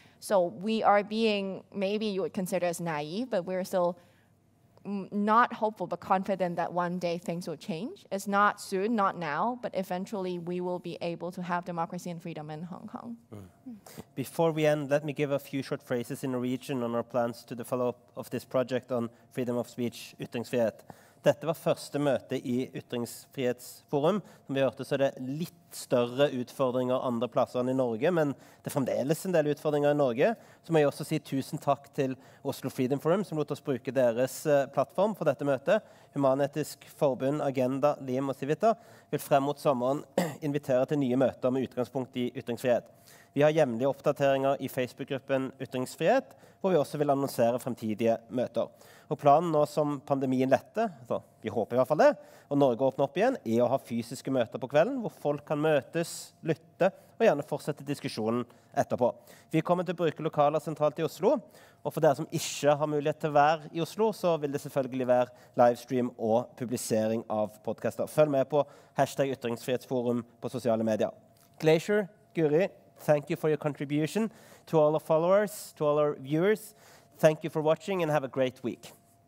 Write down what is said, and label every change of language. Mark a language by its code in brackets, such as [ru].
[en] So we are being, maybe you would consider as naive, but we're still not hopeful, but confident that one day things will change. It's not soon, not now, but eventually we will be able to have democracy and freedom in Hong Kong. Mm. Before we end, let me give a few short phrases in Norwegian on our plans to the follow-up of this project on freedom of speech, ytringsfrihet. [no] Dette var første møte i Ytringsfrihetsforum. Som vi hørte, så det litt større utfordringer andre plasser enn i Norge, men det fremdeles en del utfordringer i Norge. Så må jeg også si tusen takk til Oslo Freedom Forum, som lot oss bruke deres plattform for dette møtet. Human-Etisk Forbund, Agenda, Lim og Civita vil frem mot sommeren invitere til nye møter med utgangspunkt i ytringsfrihet. Vi har jevnlige oppdateringer i Facebook-gruppen Ytringsfrihet, hvor vi også vil annonsere fremtidige møter. Og planen nå som pandemien letter, så vi håper i hvert fall det, og Norge åpner opp igjen, er å ha fysiske møter på kvelden, hvor folk kan møtes, lytte og gjerne fortsette diskusjonen etterpå. Vi kommer til å bruke lokaler sentralt i Oslo, og for dere som ikke har mulighet til å være i Oslo, så vil det selvfølgelig være livestream og publisering av podcaster. Følg med på hashtag Ytringsfrihetsforum på sosiale medier. [en] Glacier, Guri, thank you for your contribution. To all our followers, to all our viewers, thank you for watching and have a great week.